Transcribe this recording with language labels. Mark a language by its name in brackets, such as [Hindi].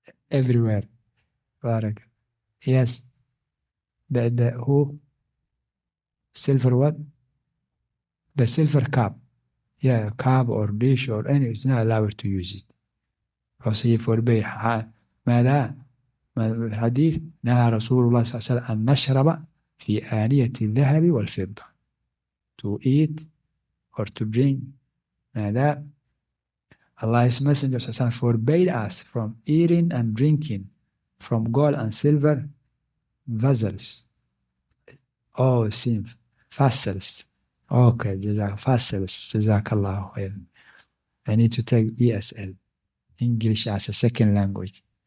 [English] Everywhere. Barak. Yes. The who? Silver what? The silver cup. Yeah, cup or dish or any, it's not allowed to use it. Because he forbade. [Arabic] ماذا؟ الحديث نهى رسول الله صلى الله عليه وسلم أن نشرب في آنية الذهب والفضة. [English] To eat or to drink. ماذا؟ Allah's Messenger صلى الله عليه وسلم forbade us from eating and drinking from gold and silver vessels. Oh, same. Vessels. Okay, Jazakallah khair. I need to take ESL, English as a second language.